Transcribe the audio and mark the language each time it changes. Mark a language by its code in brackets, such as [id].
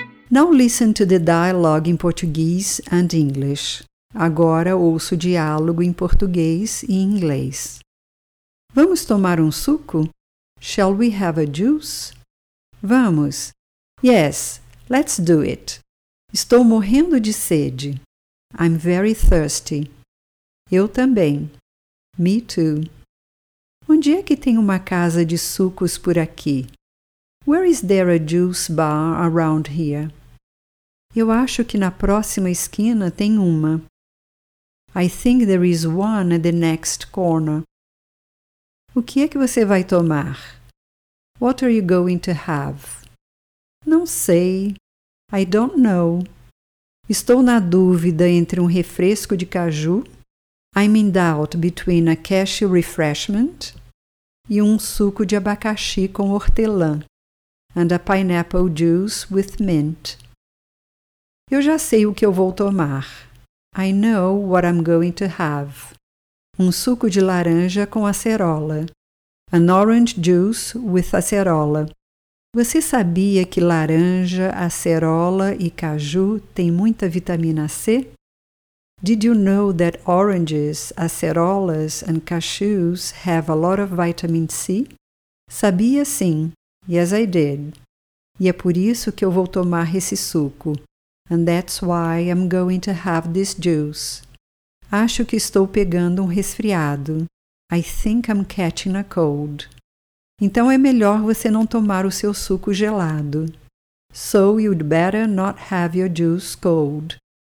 [en] Now listen to the dialogue in Portuguese and English. [pt] Agora ouço o diálogo em português e inglês. Vamos tomar um suco? [en] Shall we have a juice? [pt] Vamos. [en] Yes, let's do it. [pt] Estou morrendo de sede. [en] I'm very thirsty. [pt] Eu também. [en] Me too. [pt] Onde é que tem uma casa de sucos por aqui? [en] Where is there a juice bar around here? [pt] Eu acho que na próxima esquina tem uma. [en] I think there is one at the next corner. [pt] O que é que você vai tomar? [en] What are you going to have? Não sei. I don't know. [pt] Estou na dúvida entre um refresco de caju. [en] I'm in doubt between a cashew refreshment [pt] e um suco de abacaxi com hortelã [en] and a pineapple juice with mint. [pt] Eu já sei o que eu vou tomar. [en] I know what I'm going to have. [pt] Um suco de laranja com acerola. [en] An orange juice with acerola. [pt] Você sabia que laranja, acerola e caju têm muita vitamina C? [en] Did you know that oranges, acerolas and cashews have a lot of vitamin C? [pt] Sabia sim. [en] Yes, I did. [pt] E é por isso que eu vou tomar esse suco. [en] And that's why I'm going to have this juice. [pt] Acho que estou pegando um resfriado. [en] I think I'm catching a cold. [pt] Então é melhor você não tomar o seu suco gelado. [en] So you'd better not have your juice cold.